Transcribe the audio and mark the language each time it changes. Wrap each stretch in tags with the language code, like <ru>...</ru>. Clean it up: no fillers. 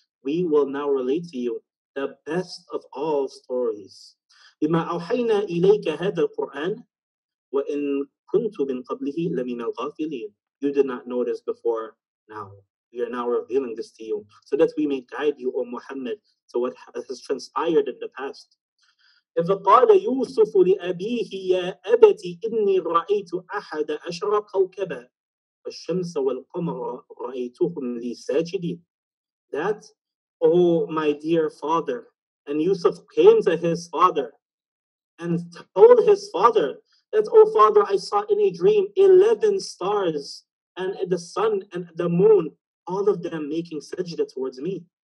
<en>We will now relate to you the best of all stories.</en> <ar>بِمَا أَوْحَيْنَا إِلَيْكَ هَذَا الْقُرْآنَ وَإِنْ كُنْتُ مِنْ قَبْلِهِ لَمِنَ الْغَافِلِينَ.</ar> <en>You did not know this before now. We are now revealing this to you so that we may guide you, O Muhammad, to what has transpired in the past.</en> <ar>إذ قال يوسف لأبيه يا أبتي إني رأيت أحد عشر كوكبا والشمس والقمر رأيتهم لي ساجدين.</ar> <en>That, oh my dear father, and Yusuf came to his father and told his father that, oh father, I saw in a dream 11 stars and the sun and the moon, all of them making sajda towards me.</en>